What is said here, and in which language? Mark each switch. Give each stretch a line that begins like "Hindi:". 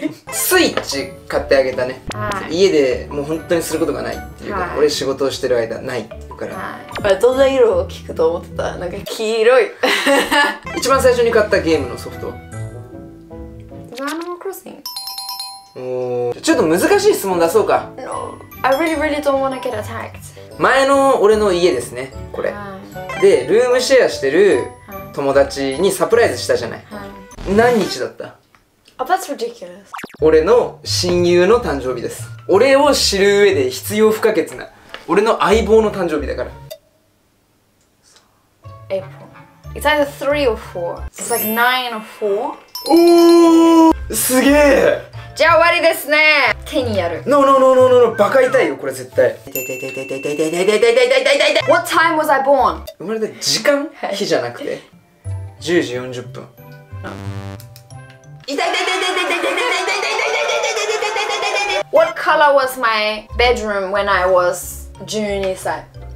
Japanese: スイッチ買ってあげたね。家でもう本当にすることがないっていうか、俺仕事をしてる間ないっていう。僕から、はい、どんな色を聞くと思ってた？なんか黄色い一番最初に買ったゲームのソフトは？アニマルクロッシング。おー、ちょっと難しい質問出そうか。
English: No, I really really don't wanna get attacked。
Japanese: 前の俺の家ですね、これ、はい、で、ルームシェアしてる友達にサプライズしたじゃない、はい、何日だった？
English: Oh, that's ridiculous。
Japanese: 俺の親友の誕生日です。俺を知る上で必要不可欠な俺の相棒の誕生日だから。
English: April。 It's either 3 or 4. It's like 9 or 4.
Japanese: おお、すげえ。じゃあ終わりですね。手にやる。
English: No no no no no no、
Japanese: バカ痛いよこれ絶対。痛い痛い痛い痛い痛い痛い痛い痛い痛い痛い痛い痛い。
English: What time was I born?
Japanese: 生まれた時間？日じゃなくて10時40分。痛い痛い痛い痛い痛い痛い痛い痛い痛い痛い痛い痛い痛い痛い痛い。
English: What color was my bedroom when I was 12歳？